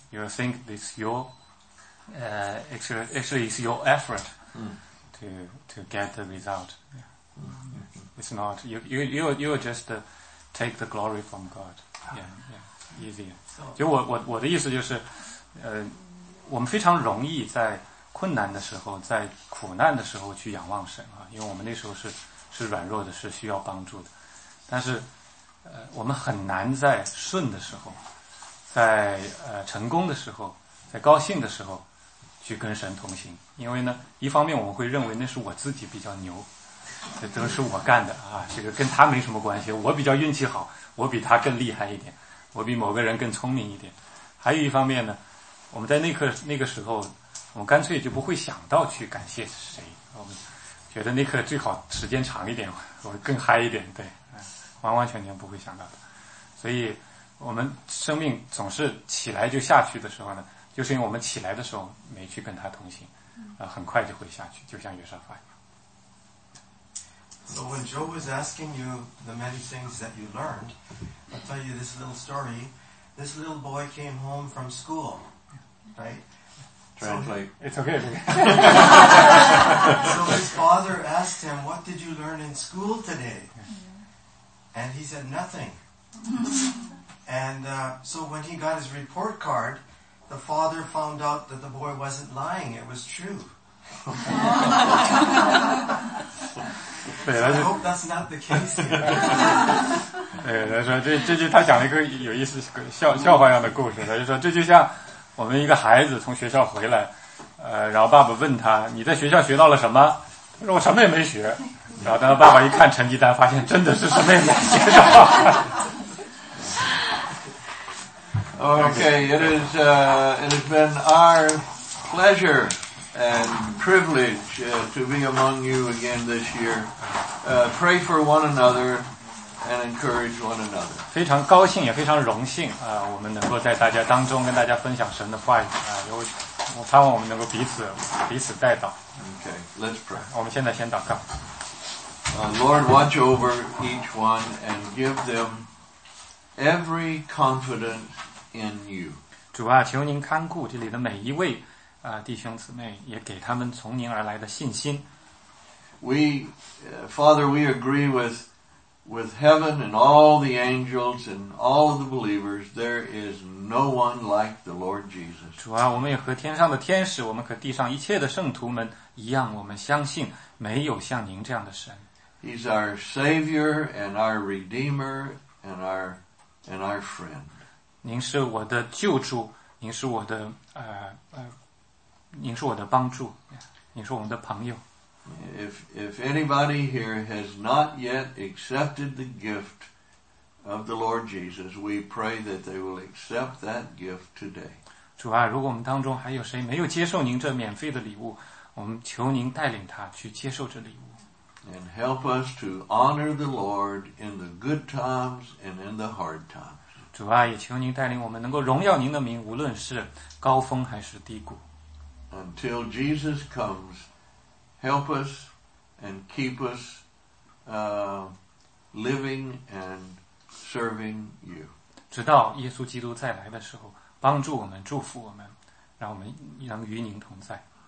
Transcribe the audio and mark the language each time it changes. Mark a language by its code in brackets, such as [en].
[en] You will think it's your actually it's your effort. Mm. To get the result. Yeah. It's not you just take the glory from God. Yeah, yeah. Easier. [zh] 就我的意思就是我们非常容易在困难的时候，在苦难的时候去仰望神啊，因为我们那时候是软弱的，是需要帮助的。但是我们很难在顺的时候，在成功的时候，在高兴的时候去跟神同行。因为呢，一方面我们会认为那是我自己比较牛，这都是我干的啊，这个跟他没什么关系，我比较运气好，我比他更厉害一点，我比某个人更聪明一点。还有一方面呢，我们在那个时候，我们干脆就不会想到去感谢谁，我们觉得那刻最好时间长一点，我更嗨一点，对，完完全全不会想到的。所以我们生命总是起来就下去的时候呢，就是因为我们起来的时候没去跟他同行，很快就会下去，就像约瑟发一样。 [en] So when Job was asking you the many things that you learned, I'll tell you this little story. This little boy came home from school, right? Translate. It's okay. So his father asked him, "What did you learn in school today?" And he said, "Nothing." And so when he got his report card, the father found out that the boy wasn't lying. It was true. So I hope that's not the case here. [zh] 对，他说这就他讲了一个有意思笑话一样的故事。他就说这就像我们一个孩子从学校回来，然后爸爸问他，你在学校学到了什么？他说我什么也没学。然后当爸爸一看成绩单，发现真的是什么也没学到。 [en] Okay, it has been our pleasure and privilege to be among you again this year. Pray for one another and encourage one another. [zh] 非常高兴也非常荣幸我们能够在大家当中跟大家分享神的话语我盼望我们能够彼此带导。 [en] Okay, let's pray. [zh] 我们现在先祷告。 [en] Lord, watch over each one and give them every confidence in you. [zh] 主啊，求您看顾这里的每一位弟兄姊妹，也给他们从您而来的信心。 [en] Father, we agree with heaven and all the angels and all of the believers, there is no one like the Lord Jesus. [zh] 主啊，我们也和天上的天使，我们和地上一切的圣徒们一样，我们相信没有像您这样的神。 [en] He's our Savior and our Redeemer and our friend. [zh] 您是我的救助，您是我的您是我的帮助，您是我们的朋友。 [en] If anybody here has not yet accepted the gift of the Lord Jesus, we pray that they will accept that gift today. [zh] 主啊，如果我们当中还有谁没有接受您这免费的礼物，我们求您带领他去接受这礼物。 [en] And help us to honor the Lord in the good times and in the hard times. [zh] 主啊，也求您带领我们能够荣耀您的名，无论是高峰还是低谷。 [en] Until Jesus comes, help us and keep us living and serving you. [zh] 直到耶稣基督再来的时候，帮助我们，祝福我们，让我们能与您同在。